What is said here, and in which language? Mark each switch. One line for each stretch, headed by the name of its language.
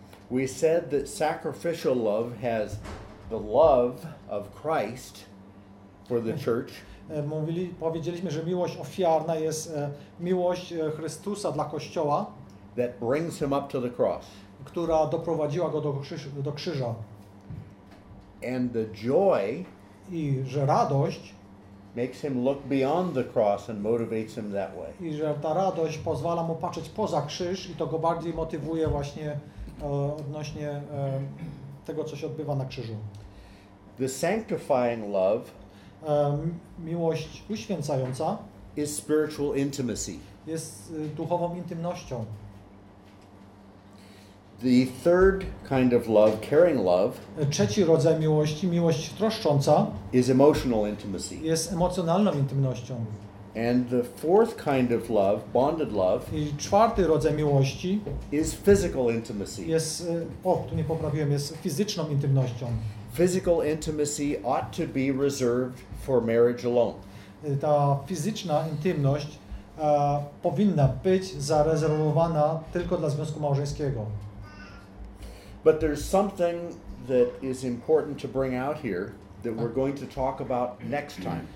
English: We said that sacrificial love has the love of Christ for the church.
Polish: Powiedzieliśmy, że miłość ofiarna jest miłość Chrystusa dla Kościoła,
English: that brings him up to the cross,
Polish: która doprowadziła go do krzyża.
English: And the joy,
Polish: i że radość,
English: makes him look beyond the cross and motivates him that way.
Polish: I że ta radość pozwala mu patrzeć poza krzyż i to go bardziej motywuje właśnie odnośnie tego, co się odbywa na krzyżu.
English: The sanctifying love,
Polish: miłość uświęcająca,
English: is spiritual intimacy.
Polish: Jest duchową intymnością.
English: The third kind of love, caring love,
Polish: trzeci rodzaj miłości, miłość troszcząca,
English: is emotional intimacy.
Polish: Jest emocjonalną intymnością.
English: And the fourth kind of love, bonded love,
Polish: i czwarty rodzaj miłości,
English: is physical intimacy.
Polish: Jest, tu nie poprawiłem, jest fizyczną intymnością.
English: Physical intimacy ought to be reserved for marriage alone.
Polish: Ta fizyczna intymność powinna być zarezerwowana tylko dla związku małżeńskiego.
English: But there's something that is important to bring out here that we're going to talk about next time.